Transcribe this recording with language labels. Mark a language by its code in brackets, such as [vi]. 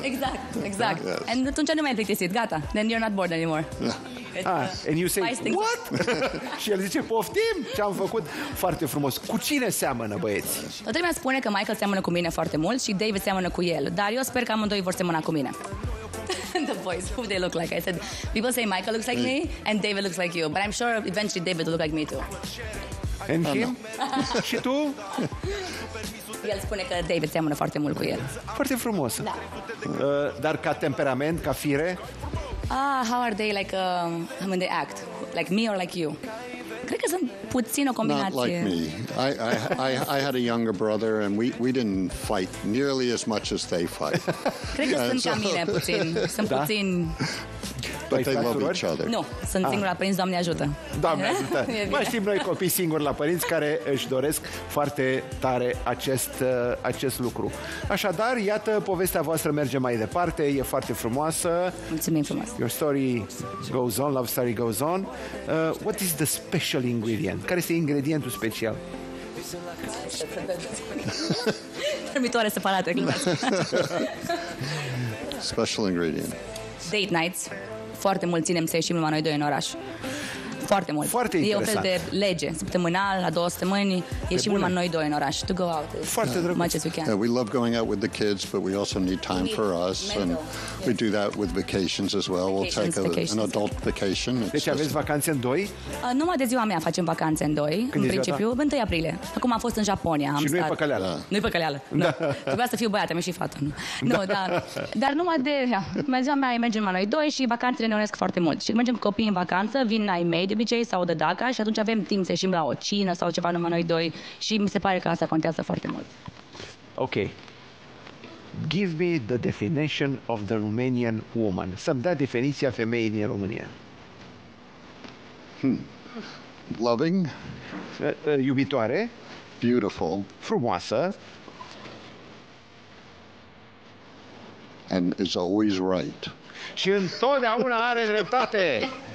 [en] Exact. Yes. And [ro] atunci nu mai plictisit, gata. [en] Then you're not bored anymore. And you say, what? [ro] Și el zice, poftim, ce-am făcut. Foarte frumos. Cu cine seamănă, băieți? Toată lumea spune că Michael seamănă cu mine foarte mult și David seamănă cu el. Dar eu sper că amândoi vor seamăna cu mine. [en] The boys, who they look like. I said, people say Michael looks like me and David looks like you, but I'm sure eventually David will look like me too. And him? [ro] Și tu? El spune că David seamănă foarte mult cu el. Foarte frumos. Da. Dar ca temperament, ca fire? [en] How are they like when they act? Like me or like you? [ro] Cred că sunt puțin o combinație. [en] Not like me. I had a younger brother and we didn't fight nearly as much as they fight. [ro] Cred că sunt ca mine puțin. Sunt puțin... [en] But they love each other. [ro] Nu, sunt singur la părinți, Doamne ajută. Doamne ajută. Mai știm noi copii singuri la părinți care își doresc foarte tare acest lucru. Așadar, iată, povestea voastră merge mai departe, e foarte frumoasă. Mulțumim frumos. [en] Your story goes on, love story goes on. What is the special ingredient? [ro] Care este ingredientul special? Fermitoare separate. [en] Special ingredient. Date nights. [ro] Foarte mult ținem să ieșim numai noi doi în oraș. Foarte mult. Foarte interesant. E un fel de lege. Săptămânal, la 2 săptămâni, ieșim numai noi doi în oraș. [en] To go out. [ro] Foarte drăguț. [en] Yeah, we love going out with the kids, but we also need time for us. And we do that with vacations as well. We'll take an adult vacation. [ro] Deci aveți vacanțe în doi? Numai de ziua mea facem vacanțe în doi. Când în principiu, în 1 aprilie. Acum am fost în Japonia. Și nu e păcăleală. Nu e păcăleală. Trebuia să fiu băiată, mi-e și fată. Nu, dar numai de ziua mea mergem numai noi doi și vacanțele ne unesc foarte mult. Și mergem cu copiii în vacanță, vin la ei de obicei sau de daca și atunci avem timp să ieșim la o cină sau ceva numai noi doi și mi se pare că asta contează foarte mult. Ok. [en] Give me the definition of the Romanian woman. [ro] Să-mi dea definiția femeii din România. [en] Loving. [ro] Iubitoare. [en] Beautiful. [ro] Frumoasă. [en] And is always right. [ro] Și întotdeauna are dreptate.